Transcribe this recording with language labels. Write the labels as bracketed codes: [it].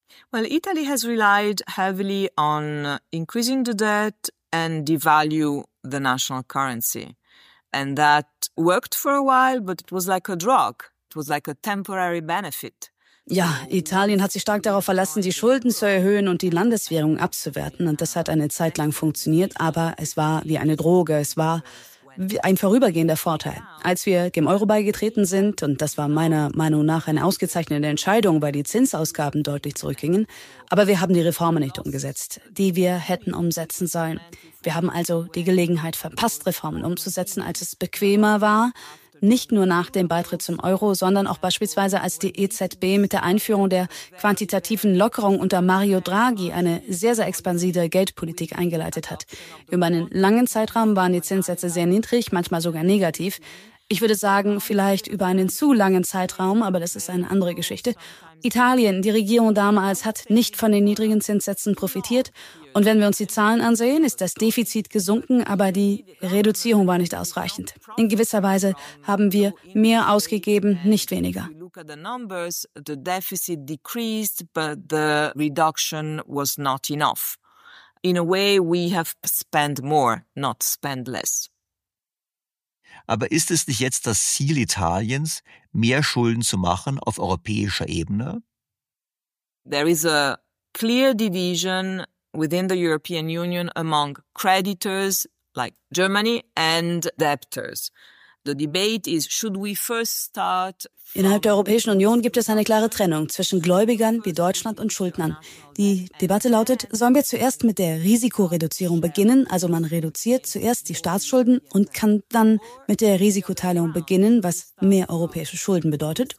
[en] Well, Italy has relied heavily on increasing the debt and devalue the national currency. And that worked for a while, but it was like a drug. It was like a temporary benefit. [de] Ja, Italien hat sich stark darauf verlassen, die Schulden zu erhöhen und die Landeswährung abzuwerten. Und das hat eine Zeit lang funktioniert, aber es war wie eine Droge. Es war ein vorübergehender Vorteil. Als wir dem Euro beigetreten sind, und das war meiner Meinung nach eine ausgezeichnete Entscheidung, weil die Zinsausgaben deutlich zurückgingen, aber wir haben die Reformen nicht umgesetzt, die wir hätten umsetzen sollen. Wir haben also die Gelegenheit verpasst, Reformen umzusetzen, als es bequemer war, nicht nur nach dem Beitritt zum Euro, sondern auch beispielsweise als die EZB mit der Einführung der quantitativen Lockerung unter Mario Draghi eine sehr, sehr expansive Geldpolitik eingeleitet hat. Über einen langen Zeitraum waren die Zinssätze sehr niedrig, manchmal sogar negativ. Ich würde sagen, vielleicht über einen zu langen Zeitraum, aber das ist eine andere Geschichte. Italien, die Regierung damals, hat nicht von den niedrigen Zinssätzen profitiert. Und wenn wir uns die Zahlen ansehen, ist das Defizit gesunken, aber die Reduzierung war nicht ausreichend. In gewisser Weise haben wir mehr ausgegeben, nicht weniger. [en] Look at the numbers, the deficit decreased, but the reduction was not enough. In a way, we have spent more, not spent less. [de] Aber ist es nicht jetzt das Ziel Italiens, mehr Schulden zu machen auf europäischer Ebene? [en] There is a clear division within the European Union among creditors like Germany and debtors. The debate is, should we first start? [de] Innerhalb der Europäischen Union gibt es eine klare Trennung zwischen Gläubigern wie Deutschland und Schuldnern. Die Debatte lautet, sollen wir zuerst mit der Risikoreduzierung beginnen? Also man reduziert zuerst die Staatsschulden und kann dann mit der Risikoteilung beginnen, was mehr europäische Schulden bedeutet.